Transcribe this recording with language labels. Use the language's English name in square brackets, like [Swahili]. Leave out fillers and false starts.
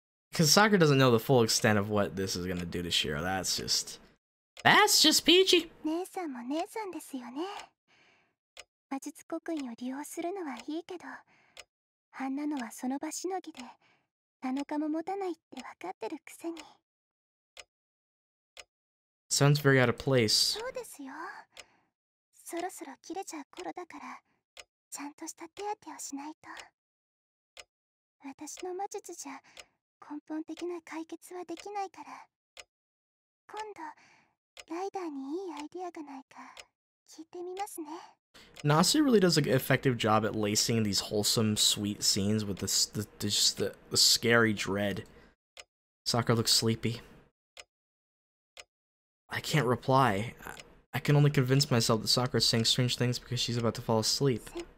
[English] Because Sakura doesn't know the full extent of what this is gonna do to Shiro. That's just peachy. [Japanese] 姉さんも姉さんですよね。魔術刻印を利用するのはいいけど、あんなのはその場しのぎで7日も持たないって分かってるくせに。 [English] Sounds very out of place. [Japanese] そうですよ。そろそろ切れちゃう頃だから、ちゃんとした手当てをしないと。私の魔術じゃ根本的な解決はできないから。今度、ライダーにいいアイディアがないか聞いてみますね。 [English] Nasu really does an effective job at lacing these wholesome, sweet scenes with the scary dread. Sakura looks sleepy. I can't reply. I can only convince myself that Sakura is saying strange things because she's about to fall asleep.